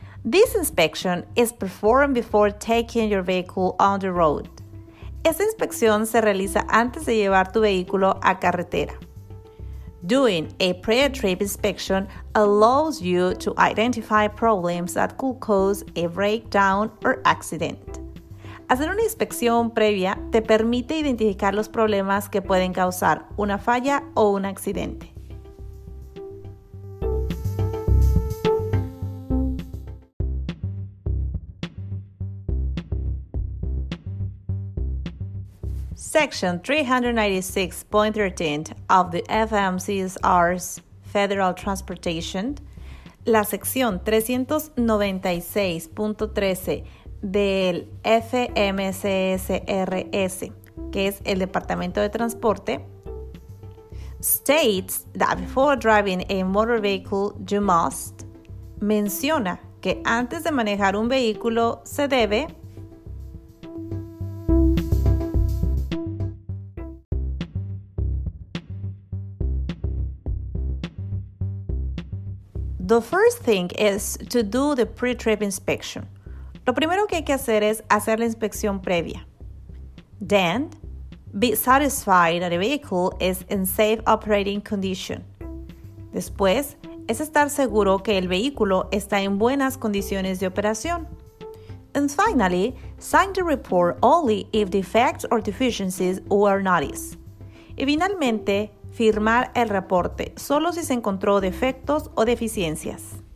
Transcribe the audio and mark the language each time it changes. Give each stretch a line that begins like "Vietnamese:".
English: This inspection is performed before taking your vehicle on the road.
Spanish: Esta inspección se realiza antes de llevar tu vehículo a carretera.
English: Doing a pre-trip inspection allows you to identify problems that could cause a breakdown or accident.
Spanish: Hacer una inspección previa te permite identificar los problemas que pueden causar una falla o un accidente.
English: Section 396.13 of the FMCSR's Federal Transportation,
Spanish: la sección 396.13 del FMCSRS, que es el Departamento de Transporte,
English: states that before driving a motor vehicle, you must,
Spanish: menciona que antes de manejar un vehículo se debe.
English: The first thing is to do the pre-trip inspection.
Spanish: Lo primero que hay que hacer es hacer la inspección previa.
English: Then, be satisfied that the vehicle is in safe operating condition.
Spanish: Después, es estar seguro que el vehículo está en buenas condiciones de operación.
English: And finally, sign the report only if defects or deficiencies were noticed.
Spanish: Y finalmente, firmar el reporte, solo si se encontró defectos o deficiencias.